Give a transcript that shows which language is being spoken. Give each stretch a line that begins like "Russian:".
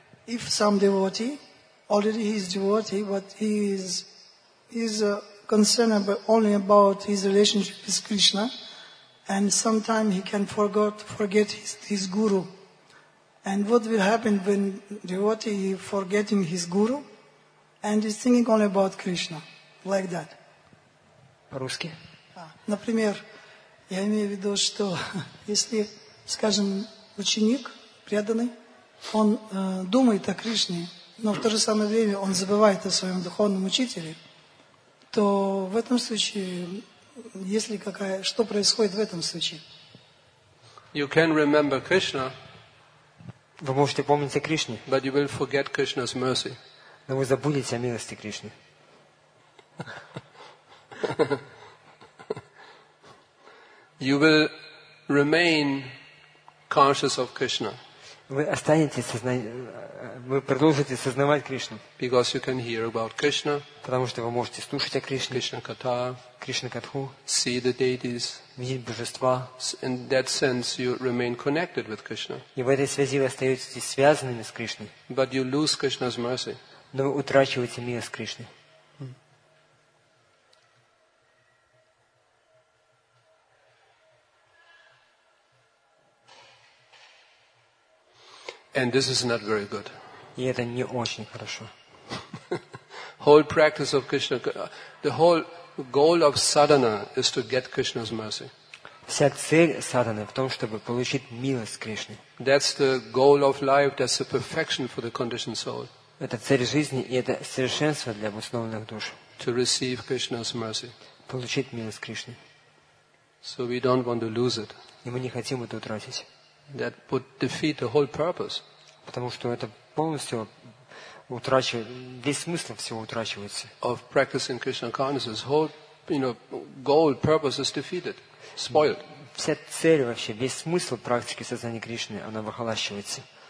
English: If some devotee, already he is devotee, but he is concerned about, only about his relationship with Krishna, and sometime he can forget his guru. And what will happen when devotee is forgetting his guru and is thinking only about Krishna, like that?
Russian: По-русски. Например, я имею в виду, что если, скажем, ученик преданный, он думает о Кришне, но в то же самое время он забывает о своем духовном учителе, то в этом случае, если какая, что происходит в этом случае?
English: You can remember Krishna.
Russian: Вы можете помнить о Кришне.
English: But you will forget Krishna's mercy.
Russian: Но вы забудете о милости Кришны.
English: You will remain conscious of Krishna.
Russian: Вы останетесь вы продолжите сознавать Кришну.
English: Because you can hear about Krishna.
Russian: Потому что вы можете слушать о Кришне.
Sanskrit: Krishna katha.
Russian: Кришна катху.
English: See the deities.
Russian: Видеть божества.
English: In that sense, you remain connected with Krishna.
Russian: И в этой связи вы остаетесь связанными с Кришной.
English: But you lose Krishna's mercy.
Russian: Но вы утрачиваете милость Кришны.
English: And this is not very good.
Russian: И это не очень хорошо.
English: Whole practice of Krishna, the whole goal of sadhana is to get Krishna's mercy.
Russian: Вся цель садханы в том, чтобы получить милость Кришны.
English: That's the goal of life. That's the perfection for the conditioned soul.
Russian: Это цель жизни и это совершенство для обусловленных душ.
English: To receive Krishna's mercy.
Russian: Получить милость Кришны.
English: So we don't want to lose it.
Russian: И мы не хотим это утратить.
English: That would defeat the whole purpose.
Russian: Потому что это полностью утрачивает, весь смысл всего утрачивается.
English: Of practicing Krishna consciousness, whole, you know, goal, purpose is defeated, spoiled.
Russian: Вся цель вообще, весь смысл практики сознания Кришны, она выхолащивается.